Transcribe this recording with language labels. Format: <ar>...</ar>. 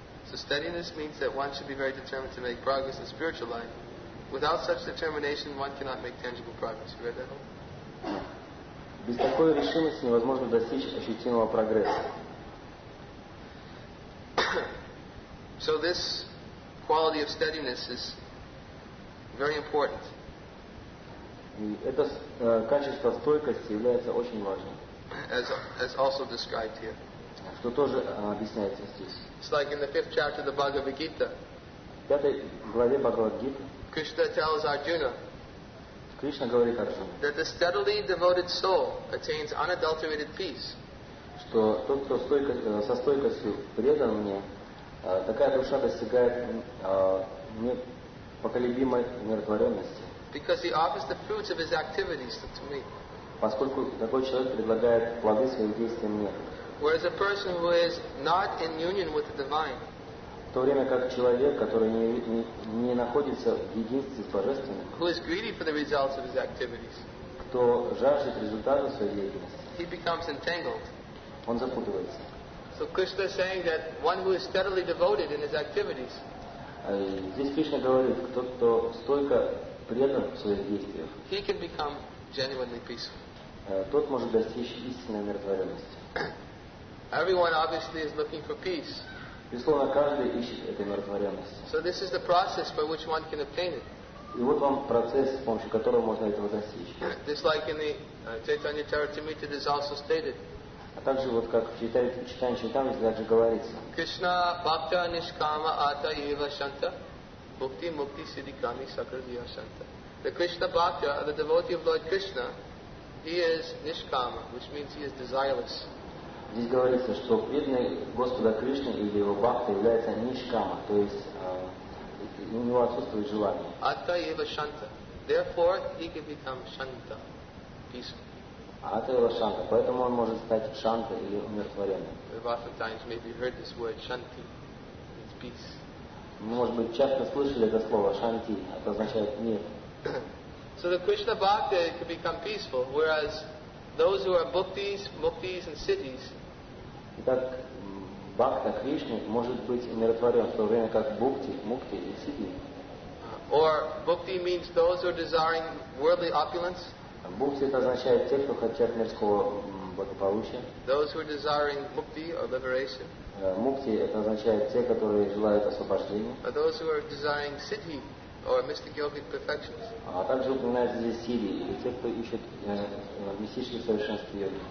<en>So steadiness means that one should be very determined to make progress in spiritual life. Without such determination, one cannot make tangible progress. You read that all?</en> <ru>Без такой решимости невозможно достичь ощутимого прогресса.</ru> <en>So this quality of steadiness is very important.</en> <ru>И это качество стойкости является очень важным.</ru> <en>As also described here.</en> <ru>Что тоже объясняется здесь.</ru> <en>It's like in the fifth chapter of the Bhagavad Gita.</en> <ru>В пятой главе Бхагавад Гиты.</ru> <en>Krishna tells Arjuna.</en> <ru>Кришна говорит Арджуне.</ru> <en>That the steadily devoted soul attains unadulterated peace.</en> <ru>Что тот, кто со стойкостью предан мне, такая душа достигает непоколебимой умиротворенности.</ru> <en>Because he offers the fruits of his activities to me.</en> <ru>Поскольку такой человек предлагает плоды своих действий мне.</ru> <en>Whereas a person who is not in union with the divine.</en> <ru>В то время как человек, который не находится в единстве с Божественным.</ru> <en>Who is greedy for the results of his activities.</en> <ru>Кто жаждет результатов своей деятельности.</ru> <en>He becomes entangled.</en> <ru>Он запутывается.</ru> <en>So Krishna is saying that one who is steadily devoted in his activities.</en> <ru>Здесь Кришна говорит, тот, кто стойко предан в своих действиях.</ru> <en>He can become genuinely peaceful.</en> <ru>Тот может достичь истинной умиротворенности.</ru> <en>Everyone obviously is looking for peace.</en> <ru>Безусловно, каждый ищет этой умиротворенности.</ru> <en>So this is the process by which one can obtain it.</en> <ru>И вот вам процесс, с помощью которого можно этого достичь.</ru> <en>Just like in the Chaitanya Charitamrita, it is also stated.</en> <ru>А также вот как в Чайтанья Чайтамрите также говорится.</ru> <sa>Krishna bhakta nishkama ata eva shanta. Bhakti Mukti Siddhi Kami Sakradiya Shanta.</sa> <en>The Krishna Bhakta, the devotee of Lord Krishna, he is Nishkama, which means he is desireless.</en> <ru>Здесь говорится, что преданный Господа Кришны или его Бхакта является Нишкама, то есть у него отсутствует желание.</ru> <sa>Ата Ива Шанта.</sa> <en>Therefore, he can become Shanta, peaceful.</en> <sa>Ата Ива Шанта.</sa> <ru>Поэтому он может стать Шанта или умиротворенным.</ru> <en>We've oftentimes maybe heard this word Shanti. It's peace.</en> <ru>Мы, может быть, часто слышали это слово «шанти», это означает «мир».</ru> <en>So the Krishna Bhakta can become peaceful, whereas those who are bhaktis, muktis and siddhis.</en> <ru>Итак, Бхакта Кришны может быть умиротворен, в то время как бхакти, мукти и сидди.</ru> <en>Or bhakti means those who are desiring worldly opulence.</en> <ru>Бхукти — это означает те, кто хотят мирского благополучия.</ru> <en>Those who are desiring mukti or liberation.</en> <ru>Мукти — это означает те, которые желают освобождения.</ru> <en>Or those who are desiring siddhi or mystic yogic perfections.</en> <ru>А также упоминается здесь сиди, или те, кто ищет мистические совершенства йоги.</ru>